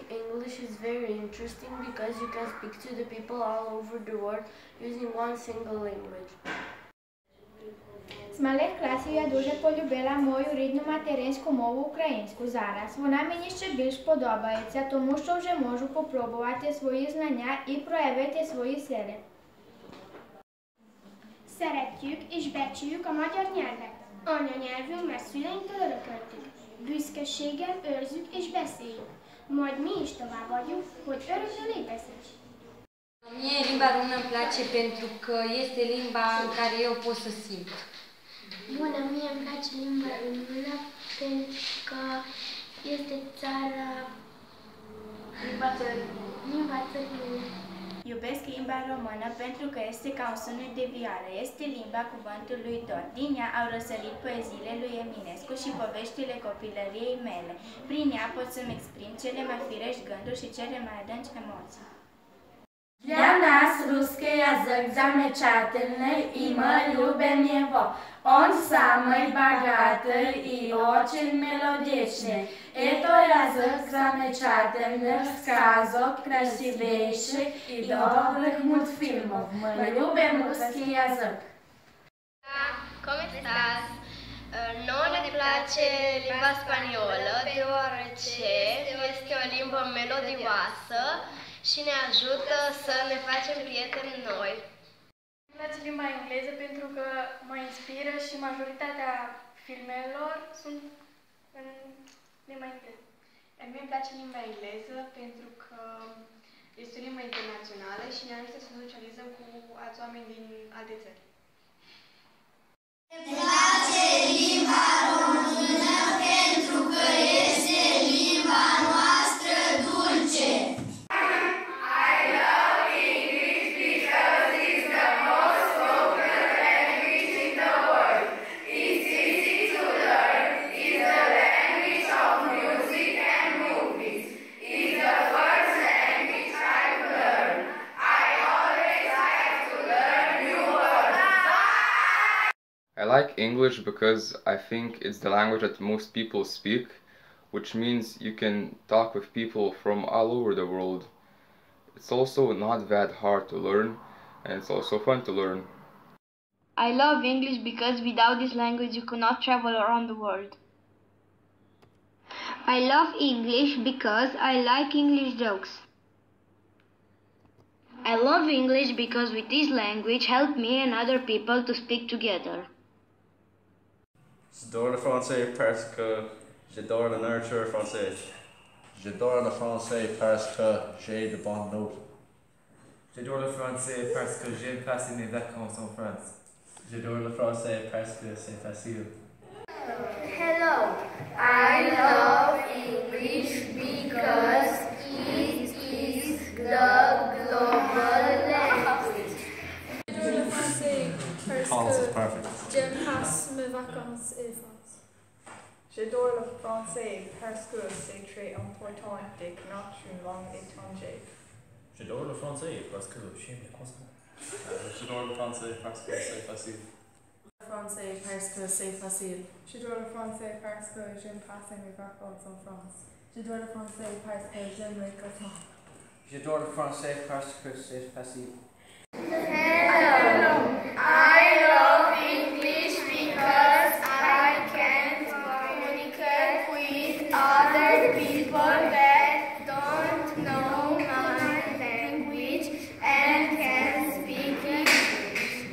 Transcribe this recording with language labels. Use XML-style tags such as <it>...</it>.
<en>Interesting because you can speak to the people all over the world using one single language.</en> <uk>З малих класів я дуже полюбила мою рідну материнську мову українську зараз. Вона мені ще більш подобається, тому що вже можу попробувати свої знання і проявити свої сили.</uk> <hu>Szeretjük és becsüljük a magyar nyelvet. Anyanyelvünk, mert szüleinktől örököltük. Büszkeséggel őrzük és beszéljük. Majd mi is tovább vagyunk, hogy örökre létezünk.</hu> <ro>Mie limba română îmi place pentru că este limba în care eu pot să simt. Bună, mie îmi place limba română pentru că este țara... Limba țării. Iubesc limba română pentru că este ca un sunet de vioară. Este limba cuvântului tot. Din ea au răsărit poeziile lui Eminescu și poveștile copilăriei mele. Prin ea pot să-mi exprim cele mai firești gânduri și cele mai adânci emoții.</ro> <ru>Для нас русский язык замечательный, и мы любим его. Он самый богатый и очень мелодичный. Это язык замечательных сказок, красивейших и добрых мультфильмов. Мы любим русский язык.</ru> <ro>Nu ne place limba spaniolă, deoarece este o limbă melodioasă și ne ajută să ne facem prieteni noi. Îmi place limba engleză pentru că mă inspiră și majoritatea filmelor sunt în limba engleză. Mie îmi place limba engleză pentru că este o limbă internațională și ne ajută să socializăm cu alți oameni din alte țări. Îmi place limba română pentru că este limba noastră dulce.</ro> <en>I love English because it's the most spoken language in the world. It's easy to learn. It's the language of music and movies. It's the first language I've learned. I always like to learn new words. I like English because I think it's the language that most people speak, which means you can talk with people from all over the world. It's also not that hard to learn, and it's also fun to learn. I love English because without this language you could not travel around the world. I love English because I like English jokes. I love English because with this language help me and other people to speak together.</en> <fr>J'adore le français parce que j'adore la nature française. J'adore le français parce que j'ai de bonnes notes. J'adore le français parce que j'aime passer mes vacances en France. J'adore le français parce que c'est facile.</fr> <en>Hello, I love English because it is the global language.</en> <fr>J'adore le français parce que j'aime passer mes vacances en France. J'adore le français parce que c'est très important de connaître une langue étrangère. J'adore le français parce que j'aime les croissants. J'adore le français parce que c'est facile. Français parce que c'est facile. J'adore le français parce que j'aime passer mes vacances en France. J'adore le français parce que j'aime les croissants. J'adore le français parce que c'est facile.</fr> <en>Hello, I love English because I can communicate with other people that don't know my language and can speak English.</en>